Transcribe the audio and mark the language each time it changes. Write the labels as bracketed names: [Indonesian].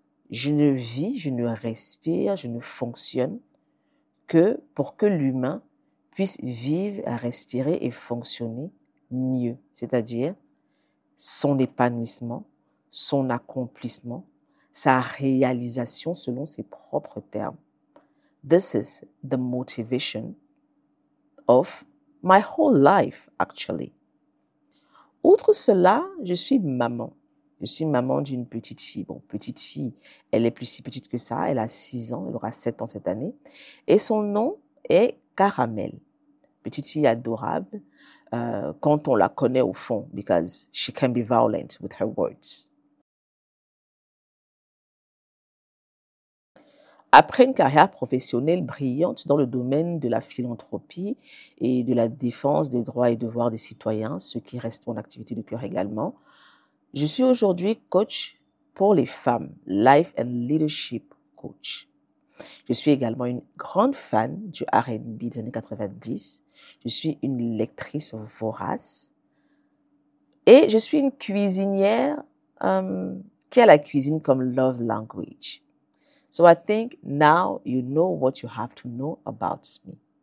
[French] Je ne vis, je ne respire, je ne fonctionne que pour que l'humain puisse vivre, respirer et fonctionner mieux, c'est-à-dire son épanouissement, son accomplissement, sa réalisation selon ses propres termes. [English] This is the motivation of my whole life, actually. [French] Outre cela, je suis maman. Je suis maman d'une petite fille. Bon, petite fille, elle est plus si petite que ça. Elle a 6 ans, elle aura 7 ans cette année. Et son nom est Caramel. Petite fille adorable. Quand on la connaît au fond, [English] because she can be violent with her words. [French] Après une carrière professionnelle brillante dans le domaine de la philanthropie et de la défense des droits et devoirs des citoyens, ce qui reste mon activité de cœur également, je suis aujourd'hui coach pour les femmes, [English] life and leadership coach. [French] Je suis également une grande fan du R&B des années 90. Je suis une lectrice vorace. Et je suis une cuisinière qui a la cuisine comme love language. [English] So I think now you know what you have to know about me.